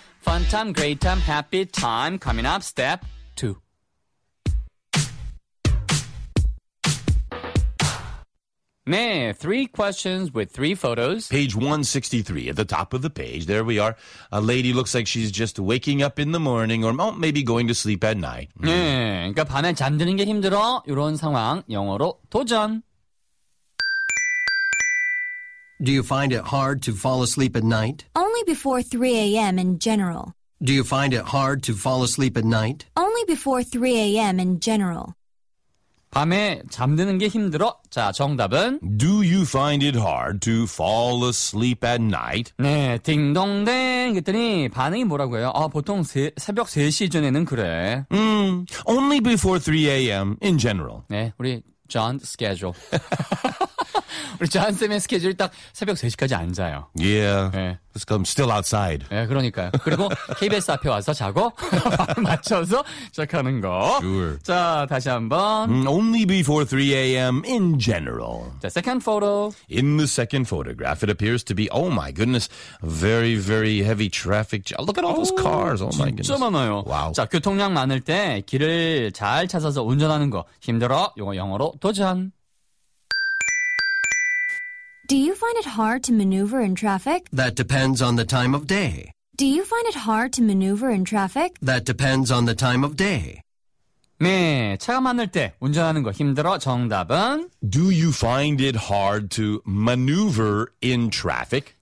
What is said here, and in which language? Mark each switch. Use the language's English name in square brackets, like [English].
[English] Fun time, great time, happy time. Coming up, step two. Nah, three questions with three photos. Page 163, at the top of the page, there we are. A lady looks like she's just waking up in the morning or maybe going to sleep at night. [Korean] 네, 그러니까 밤에 잠드는 게 힘들어. 이런 상황, 영어로 도전. [English] Do you find it hard to fall asleep at night? Only before 3 a.m. in general. Do you find it hard to fall asleep at night? Only before 3 a.m. in general. [Korean] 밤에 잠드는 게 힘들어. 자, 정답은 [English] Do you find it hard to fall asleep at night? [Korean] 네, 딩동댕 했더니 반응이 뭐라고요? 아, 보통 새벽 3시 전에는 그래. [English] Only before 3 a.m. in general. [Korean] 네, 우리 John schedule. 우리 John 쌤의 스케줄 딱 새벽 3시까지 안 자요. [English] Yeah. [Korean] 네. [English] I'm still outside. [Korean] 네, 그러니까요. 그리고 KBS 앞에 와서 자고 맞춰서 시작하는 거. [English] Sure. [Korean] 자, 다시 한번. [English] Only before 3 a.m. in general. [Korean] 자, [English] second photo. In the second photograph, it appears to be, oh my goodness, very, very heavy traffic. Look at all those cars. Oh my goodness. [Korean] 진짜 많아요. [English] Wow. [Korean] 자, 교통량 많을 때 길을 잘 찾아서 운전하는 거 힘들어. 이거 영어로 도전. [English] Do you find it hard to maneuver in traffic? That depends on the time of day. Do you find it hard to maneuver in traffic? That depends on the time of day. [Korean] 네, 차가 많을 때 운전하는 거 힘들어. 정답은? [English] Do you find it hard to maneuver in traffic?